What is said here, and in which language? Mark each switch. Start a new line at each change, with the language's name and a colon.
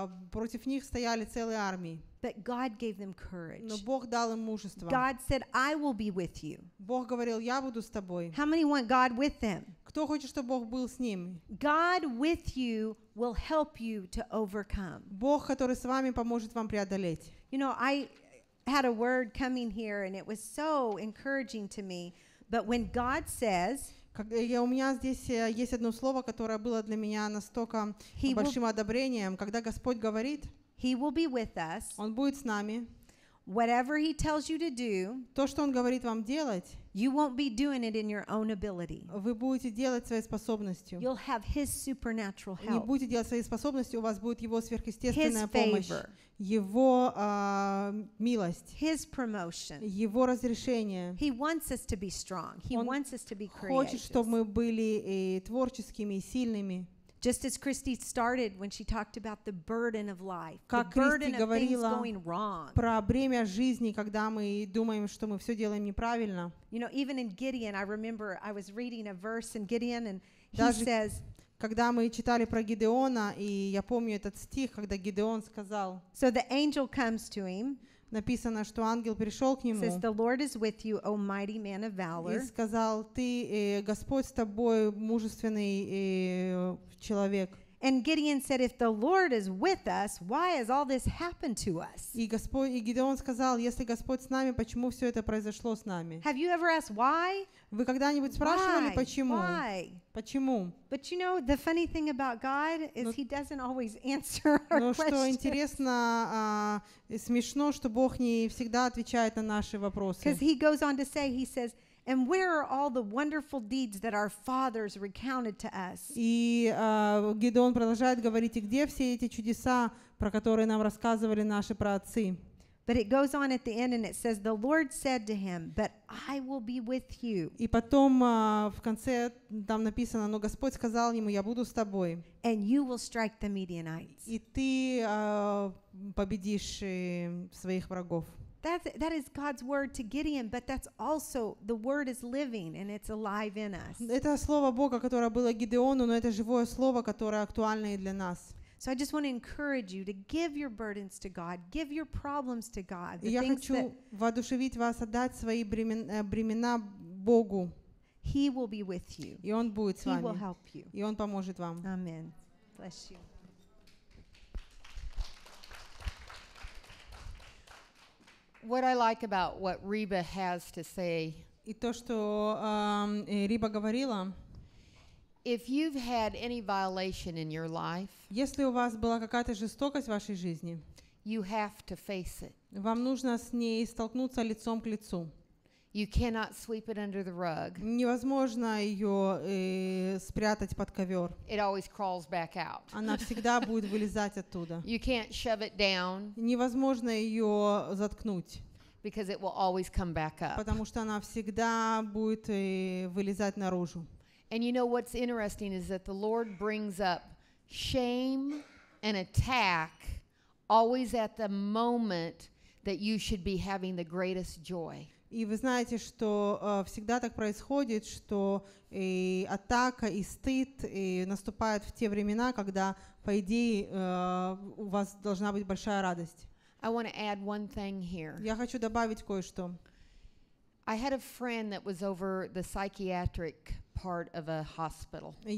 Russian: Против них стояли целые армии.
English: But God gave them courage.
Russian: Но Бог дал им мужество.
English: God said, "I will be with you."
Russian: Бог говорил, я буду с тобой.
English: How many want God with them?
Russian: Кто хочет, чтобы Бог был с ним?
English: God with you will help you to overcome.
Russian: Бог, который с вами, поможет вам преодолеть.
English: You know, I had a word coming here, and it was so encouraging to me. But when God says,
Russian: у меня здесь есть одно слово, которое было для меня настолько большим одобрением, когда Господь говорит,
English: He will be with us.
Russian: Он будет с нами.
English: Whatever he tells you to do,
Russian: то, что он говорит вам делать,
English: you won't be doing it in your own ability.
Russian: Вы будете делать своей способностью.
English: You'll have his supernatural help.
Russian: Не будете делать своей способностью, у вас будет его сверхъестественная помощь, его милость,
English: his promotion.
Russian: Его разрешение.
English: He wants us to be strong. He wants us to be creative.
Russian: Хочет, чтобы мы были творческими и сильными.
English: Just as Christy started when she talked about the burden of life, the burden of things going wrong.
Russian: Про бремя жизни, когда мы думаем, что мы все делаем неправильно.
English: You know, even in Gideon, I remember I was reading a verse in Gideon, and he says.
Russian: Когда мы читали про Гидеона, и я помню этот стих, когда Гидеон сказал.
English: So the angel comes to him.
Russian: Написано, что ангел пришел к нему.
English: Says the Lord is with you, O mighty man of valor.
Russian: И сказал: ты, Господь с тобой, мужественный человек.
English: And Gideon said, if the Lord is with us, why has all this happened to us?
Russian: И Господь, и Гидеон сказал: если Господь с нами, почему все это произошло с нами?
English: Have you ever asked why?
Russian: Вы когда-нибудь спрашивали почему?
English: Why?
Russian: Почему?
English: But you know, the funny thing about God is he doesn't always answer our questions.
Russian: Но что интересно, смешно, что Бог не всегда отвечает на наши вопросы.
English: Because he goes on to say, he says, and where are all the wonderful deeds that our fathers recounted to us?
Russian: И Гидеон продолжает говорить, где все эти чудеса, про которые нам рассказывали наши праотцы?
English: But it goes on at the end, and it says, "The Lord said to him, 'But I will be with you.'"
Russian: И потом в конце там написано, но Господь сказал ему, я буду с тобой.
English: And you will strike the Midianites.
Russian: И ты победишь своих врагов.
English: That is God's word to Gideon, but that's also the word is living and it's alive in us.
Russian: Это слово Бога, которое было Гидеону, но это живое слово, которое актуально и для нас.
English: So I just want to encourage you to give your burdens to God, give your problems to God.
Russian: Я хочу воодушевить вас отдать свои бремена Богу.
English: He will be with you.
Russian: И он будет с вами.
English: He will help you.
Russian: И он поможет вам.
English: Amen. Bless you. What I like about what Reba has to say.
Russian: И то, что Риба говорила.
English: If you've had any violation in your life.
Russian: Если у вас была какая-то жестокость в вашей жизни.
English: You have to face it.
Russian: Вам нужно с ней столкнуться лицом к лицу.
English: You cannot sweep it under the rug.
Russian: Невозможно ее спрятать под ковер.
English: It always crawls back out.
Russian: Она всегда будет вылезать оттуда.
English: You can't shove it down.
Russian: Невозможно ее заткнуть.
English: Because it will always come back up.
Russian: Потому что она всегда будет вылезать наружу.
English: And you know what's interesting is that the Lord brings up shame and attack always at the moment that you should be having the greatest joy.
Russian: И вы знаете, что всегда так происходит, что атака и стыд наступают в те времена, когда, по идее, у вас должна быть большая радость.
English: I want to add one thing here.
Russian: Я хочу добавить кое-что.
English: I had a friend that was over the psychiatric part of a hospital.